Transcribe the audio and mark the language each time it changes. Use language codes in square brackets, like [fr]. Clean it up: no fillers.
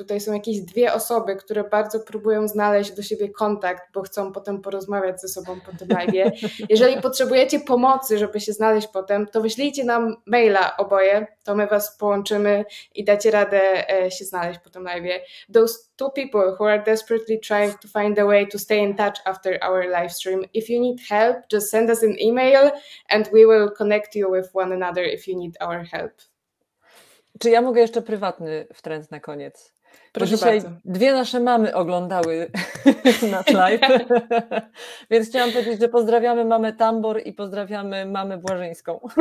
[pl] Tutaj są jakieś dwie osoby, które bardzo próbują znaleźć do siebie kontakt, bo chcą potem porozmawiać ze sobą po tym live. Jeżeli potrzebujecie pomocy, żeby się znaleźć potem, to wyślijcie nam maila oboje, to my was połączymy i dacie radę się znaleźć po tym live. [en] Two people who are desperately trying to find a way to stay in touch after our live stream. If you need help, just send us an email and we will connect you with one another if you need our help. [pl] Czy ja mogę jeszcze prywatny wtręt na koniec? Proszę dzisiaj bardzo. Dwie nasze mamy oglądały nasz live, więc chciałam powiedzieć, że pozdrawiamy mamę Tambor i pozdrawiamy mamę Błażyńską.